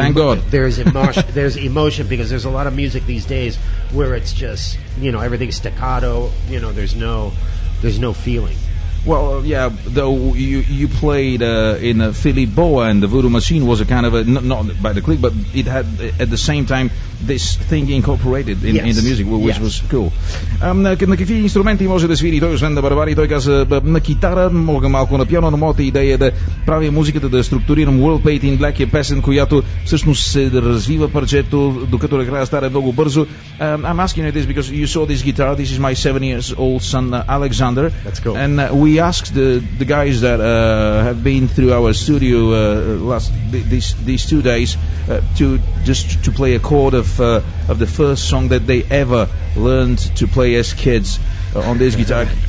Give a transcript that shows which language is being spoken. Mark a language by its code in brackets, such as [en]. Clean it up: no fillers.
[en] There's emotion, because there's a lot of music these days where it's just, you know, everything's staccato. You know, there's no feeling. Well, yeah, though you played in Philip Boa, and the Voodoo Machine was a kind of a, not by the click, but it had at the same time this thing incorporated in, yes. in the music, which yes. was cool. [bg] На какви инструменти може да свири той, освен на барабари? Той каза, на китара, мога малко на пиано, но моята идея е да правя музиката, да структурирам. World Painting Black е песен, която всъщност се развива парчето, докато накрая стара много бързо. [en] I'm asking you this because you saw this guitar. This is my 7-year-old son, Alexander. That's cool. And we asked the guys that have been through our studio these 2 days to play a chord of the first song that they ever learned to play as kids on this guitar.